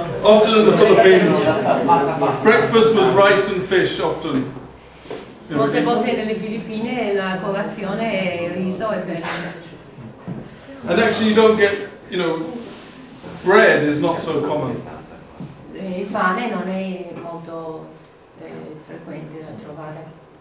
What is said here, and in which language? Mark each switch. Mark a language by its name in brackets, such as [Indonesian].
[English] Often in the Philippines, breakfast was rice and fish. Often. [Italian] Molte volte nelle Filippine la colazione è riso e pesce. [English] And actually, you don't get, you know, bread is not so common. [Italian] Il pane non è molto frequente da trovare.